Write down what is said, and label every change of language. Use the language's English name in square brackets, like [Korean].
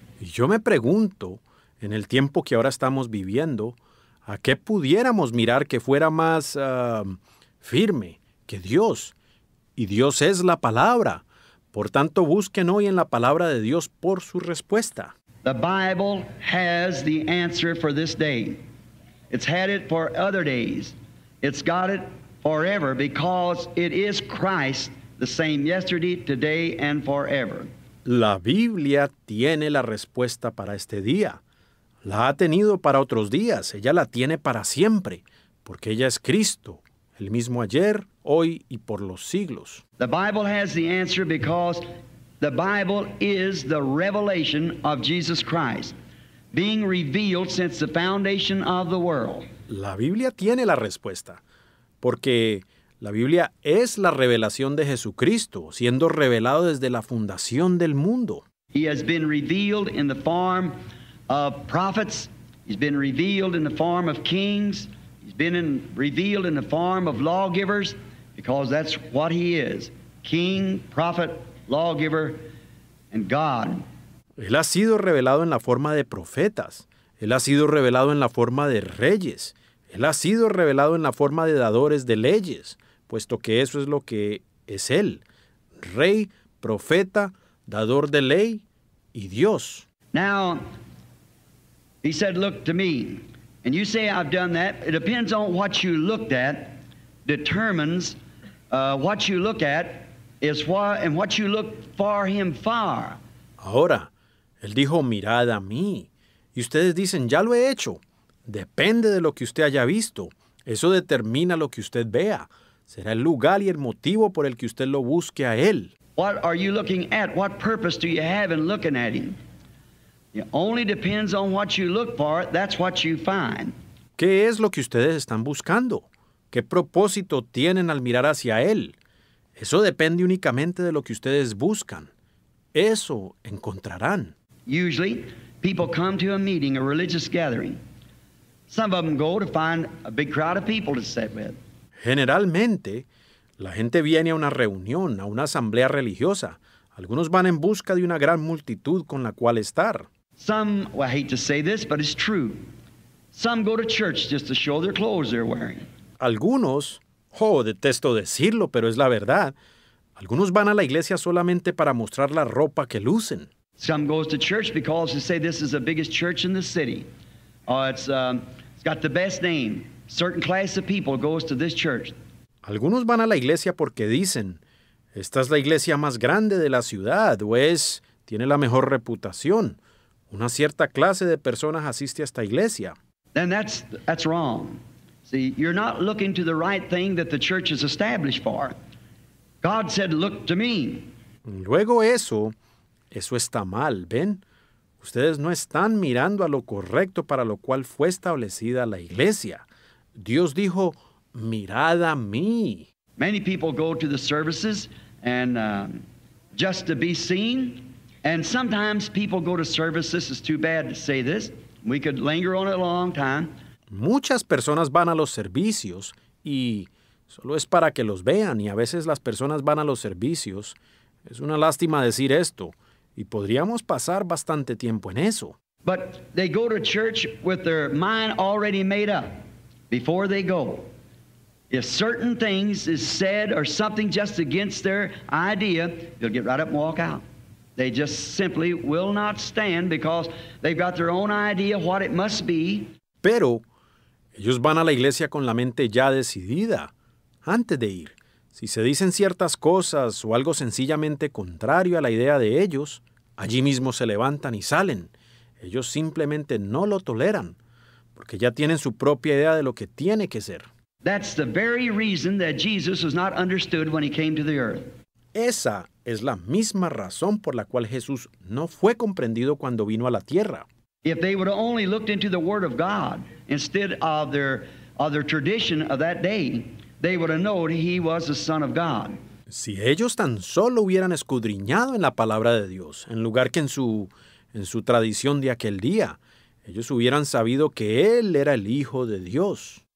[Spanish] Y yo me pregunto, en el tiempo que ahora estamos viviendo, ¿a qué pudiéramos mirar que fuera más firme que Dios? Y Dios es la palabra. Por tanto, busquen hoy en la palabra de Dios por su respuesta. [English] The Bible has the answer for this day. It's had it for other days. It's got it forever because it is Christ, the same yesterday, today, and forever. [Spanish] La Biblia tiene la respuesta para este día. La ha tenido para otros días. Ella la tiene para siempre, porque ella es Cristo, el mismo ayer, hoy y por los siglos. [English] The Bible has the answer because the Bible is the revelation of Jesus Christ, being revealed since the foundation of the world. [Spanish] La Biblia tiene la respuesta, porque la Biblia es la revelación de Jesucristo, siendo revelado desde la fundación del mundo. [English] He has been revealed in the form of prophets, he's been revealed in the form of kings, he's been revealed in the form of lawgivers, because that's what he is, king, prophet, lawgiver, and God. [Spanish] Él ha sido revelado en la forma de profetas, él ha sido revelado en la forma de reyes, él ha sido revelado en la forma de dadores de leyes, puesto que eso es lo que es él, rey, profeta, dador de ley y Dios. [English] Now, he said, look to me. And you say, I've done that. It depends on what you looked at, determines what you look at is what, and what you look for him for. [Spanish] Ahora, él dijo, mirad a mí. Y ustedes dicen, ya lo he hecho. Depende de lo que usted haya visto. Eso determina lo que usted vea. Será el lugar y el motivo por el que usted lo busque a él. [English] What are you looking at? What purpose do you have in looking at him? It only depends on what you look for, that's what you find. [Spanish] ¿Qué es lo que ustedes están buscando? ¿Qué propósito tienen al mirar hacia él? Eso depende únicamente de lo que ustedes buscan. Eso encontrarán. [English] Usually, people come to a meeting, a religious gathering. Some of them go to find a big crowd of people to sit with. [Spanish] Generalmente, la gente viene a una reunión, a una asamblea religiosa. Algunos van en busca de una gran multitud con la cual estar. [English] Some, well, I hate to say this, but it's true. Some go to church just to show their clothes they're wearing. [Spanish] Algunos, oh, detesto decirlo, pero es la verdad. Algunos van a la iglesia solamente para mostrar la ropa que lucen. [English] Some goes to church because they say this is the biggest church in the city. It's got the best name. Certain class of people goes to this church. [Spanish] Algunos van a la iglesia porque dicen, esta es la iglesia más grande de la ciudad, o es, tiene la mejor reputación. Una cierta clase de personas asiste a esta iglesia. [English] Then that's wrong. See, you're not looking to the right thing that the church is established for. God said, look to me. [Spanish] Luego eso está mal, ¿ven? Ustedes no están mirando a lo correcto para lo cual fue establecida la iglesia. Dios dijo, mirad a mí. [English] Many people go to the services and just to be seen. And sometimes people go to service. This is too bad to say this. We could linger on it a long time. [Spanish] Muchas personas van a los servicios y solo es para que los vean. Y a veces las personas van a los servicios. Es una lástima decir esto. Y podríamos pasar bastante tiempo en eso. [English] But they go to church with their mind already made up before they go. If certain things is said or something just against their idea, they'll get right up and walk out. They just simply will not stand because they've got their own idea what it must be. [Spanish] Pero ellos van a la iglesia con la mente ya decidida antes de ir. Si se dicen ciertas cosas o algo sencillamente contrario a la idea de ellos, allí mismo se levantan y salen. Ellos simplemente no lo toleran porque ya tienen su propia idea de lo que tiene que ser. [English] That's the very reason that Jesus was not understood when he came to the earth. [Spanish] Esa es la misma razón por la cual Jesús no fue comprendido cuando vino a la tierra. [English] If they would have only looked into the word of God instead of their tradition of that day, they would have known he was the Son of God. [Spanish] Si ellos tan solo hubieran escudriñado en la palabra de Dios, en lugar que en su tradición de aquel día, ellos hubieran sabido que él era el Hijo de Dios.